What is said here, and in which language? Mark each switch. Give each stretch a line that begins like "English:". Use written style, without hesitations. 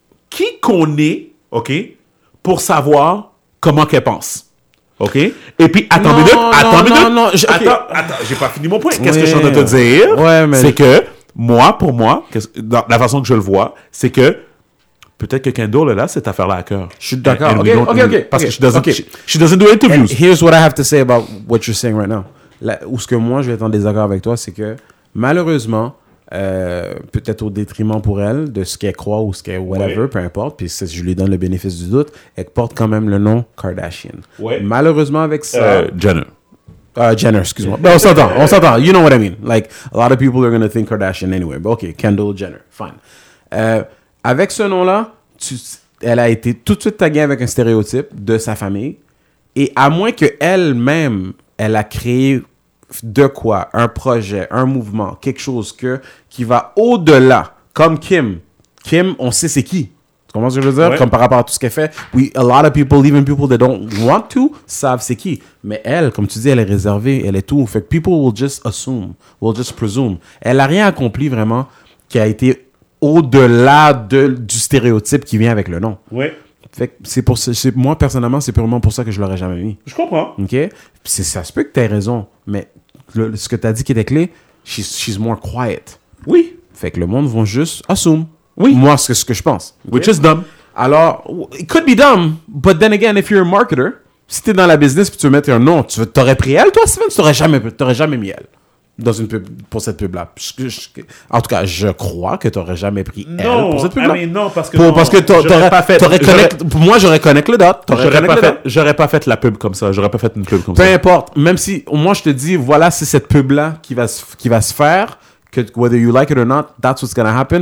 French: Qui qu'on est, OK, pour savoir comment qu'elle pense? OK? Et puis, attends, j'ai pas fini mon point. Qu'est-ce que je suis en train de te dire? La façon que je le vois, c'est que peut-être que Kendall est là, cette affaire-là à cœur. Je suis d'accord. Parce que
English: she doesn't do interviews. Here's what I have to say about what you're saying right now.
French: Ou ce que moi, je vais être en désaccord avec toi, c'est que malheureusement, peut-être au détriment pour elle de ce qu'elle croit ou ce qu'elle whatever, peu importe, puis si je lui donne le bénéfice du doute, elle porte quand même le nom Kardashian. Ouais. Malheureusement avec ça... Jenner, excuse-moi. Ben, on s'entend.
English: You know what I mean. Like, a lot of people are going to think Kardashian anyway. But okay, Kendall Jenner, fine.
French: Avec ce nom-là, elle a été tout de suite taguée avec un stéréotype de sa famille. Et à moins qu'elle-même, elle a créé... de quoi, un projet, un mouvement, quelque chose qui va au-delà. comme Kim. Kim, on sait c'est qui. Tu comprends ce que je veux dire? Ouais. Comme par rapport à tout ce qu'elle fait.
English: We, a lot of people, even people that don't want to,
French: savent c'est qui. Mais elle, comme tu dis, elle est réservée, elle est tout. Fait que
English: people will just assume, will just presume.
French: Elle n'a rien accompli vraiment qui a été au-delà du stéréotype qui vient avec le nom. Oui. Fait que c'est pour ça, moi, personnellement, c'est purement pour ça que je ne l'aurais jamais mis. Je comprends. OK? C'est, ça se peut que tu aies raison, mais ce que tu as dit qui était clé,
English: she's more quiet.
French: Oui. Fait que le monde vont juste assume. Oui. Moi, c'est ce que je pense.
English: Okay. Which is dumb.
French: Alors,
English: it could be dumb, but then again, if you're a marketer,
French: si t'es dans la business et tu veux mettre un nom, tu t'aurais pris elle, toi, Steven? Tu t'aurais jamais mis elle dans une pub, pour cette pub-là. En tout cas, je crois que t'aurais jamais pris elle non, pour cette pub-là. Non, mais non, parce que parce que t'aurais pas fait... J'aurais connecté le dot. J'aurais pas fait la pub comme ça. J'aurais pas fait une pub comme peu ça. Peu importe. Même si, moi, je te dis, voilà, c'est cette pub-là qui va se faire...
English: que whether you like it or not, that's what's gonna happen.